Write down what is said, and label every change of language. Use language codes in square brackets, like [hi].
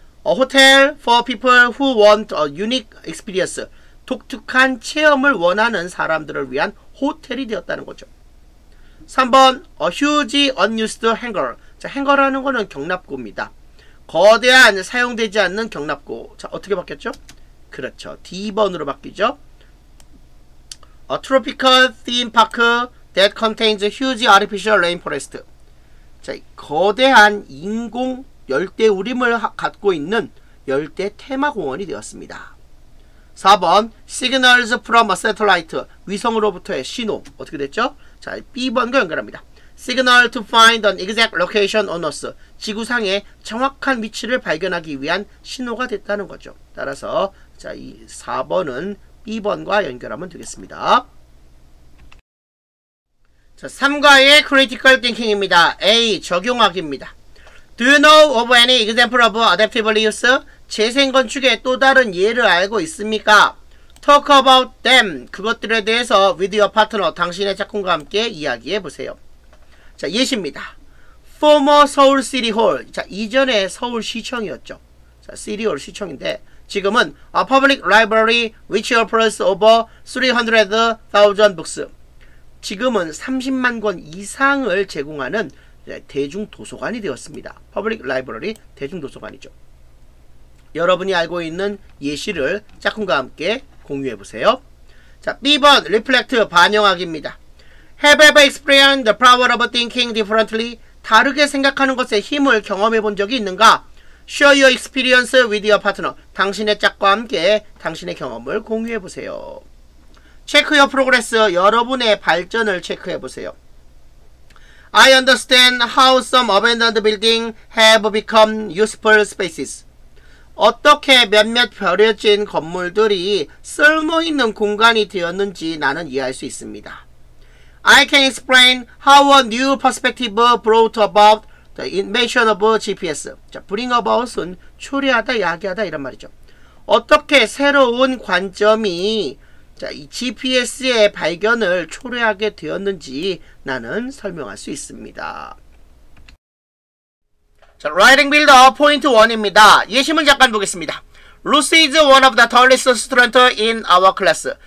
[en] A hotel for people who want a unique experience, [ko] 독특한 체험을 원하는 사람들을 위한 호텔이 되었다는 거죠. [en] 3번, a huge unused hangar. [ko] 자, 행거라는 거는 경납고입니다. 거대한 사용되지 않는 경납고. 자, 어떻게 바뀌었죠? 그렇죠. D번으로 바뀌죠. [en] A tropical theme park that contains a huge artificial rainforest. [ko] 자, 거대한 인공 열대 우림을 갖고 있는 열대 테마 공원이 되었습니다. [en] 4번, signals from a satellite, [ko] 위성으로부터의 신호. 어떻게 됐죠? 자, B번과 연결합니다. [en] Signal to find an exact location on Earth, [ko] 지구상의 정확한 위치를 발견하기 위한 신호가 됐다는 거죠. 따라서 자, 이 4번은 B번과 연결하면 되겠습니다. 자, 3과의 critical thinking입니다. A, 적용학입니다. [en] Do you know of any example of adaptive reuse? [ko] 재생건축의 또 다른 예를 알고 있습니까? [en] Talk about them. [ko] 그것들에 대해서 [en] with your partner, [ko] 당신의 작품과 함께 이야기해 보세요. 자, 예시입니다. [en] Former Seoul City Hall. [ko] 자, 이전에 서울 시청이었죠. [en] 자, City Hall [ko] 시청인데 지금은 [en] a public library which offers over 300,000 books. [ko] 지금은 30만 권 이상을 제공하는 대중도서관이 되었습니다. [en] Public Library, [ko] 대중도서관이죠. 여러분이 알고 있는 예시를 짝꿍과 함께 공유해 보세요. 자, B번, Reflect, 반영학입니다. [en] Have ever experienced the power of thinking differently? [ko] 다르게 생각하는 것의 힘을 경험해 본 적이 있는가? [en] Share your experience with your partner. [ko] 당신의 짝과 함께 당신의 경험을 공유해 보세요. [en] Check your progress, [ko] 여러분의 발전을 체크해 보세요. [en] I understand how some abandoned buildings have become useful spaces. [ko] 어떻게 몇몇 버려진 건물들이 쓸모있는 공간이 되었는지 나는 이해할 수 있습니다. [en] I can explain how a new perspective brought about the invention of GPS. [ko] 자, bring about은 초래하다, 야기하다 이런 말이죠. 어떻게 새로운 관점이 자, 이 GPS의 발견을 초래하게 되었는지 나는 설명할 수 있습니다. 자, Writing Builder 포인트 1입니다. 예시문 잠깐 보겠습니다. [en] Lucy is one of the tallest students in our class.